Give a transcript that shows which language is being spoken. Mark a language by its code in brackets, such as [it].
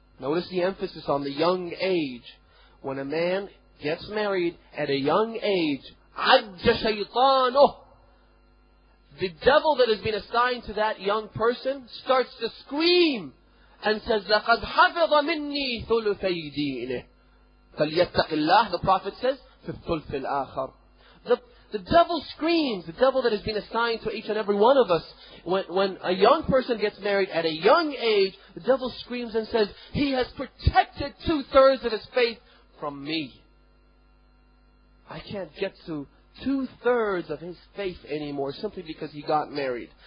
[en] Notice the emphasis on the young age. When a man gets married at a young age, [ar] عَجَّ شَيْطَانُهُ. [en] The devil that has been assigned to that young person starts to scream and says, [ar] لَقَدْ حَفِظَ مِنِّي ثُلُثَي دِينِهِ. فَلْيَتَّقِ اللَّهِ. [en] The Prophet says, [ar] فِالثُلْثِ الْآخَرِ. [en] The devil screams, the devil that has been assigned to each and every one of us, when a young person gets married at a young age, the devil screams and says, he has protected two-thirds of his faith from me. I can't get to two-thirds of his faith anymore simply because he got married.